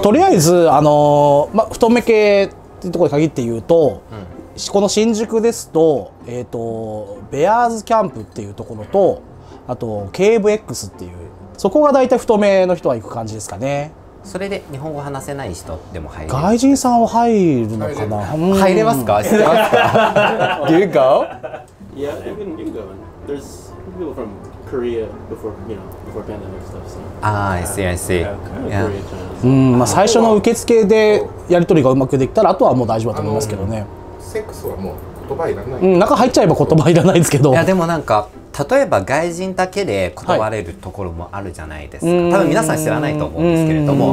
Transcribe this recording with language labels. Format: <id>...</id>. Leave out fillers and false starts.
<ja>とりあえず、ま、太め系っていうところに限って言うと、うん、この新宿ですと、ベアーズキャンプっていうところと、あとケーブ X っていう、そこが大体太めの人は行く感じですかね。それで日本語話せない人でも入れる。外人さんは入るのかな。入れますか。</ja> <en>Do you go? Yeah, I mean, you can go. There's people from Korea before, before pandemic stuff. Ah, I see, I see. Yeah.</en> <ja>うん、まあ最初の受付でやり取りがうまくできたら、あとはもう大丈夫だと思いますけどね。セックスはもう言葉いらない。うん、中入っちゃえば言葉いらないですけど。いや、でもなんか、例えば外人だけで断れるところもあるじゃないですか、はい、多分皆さん知らないと思うんですけれども。</ja>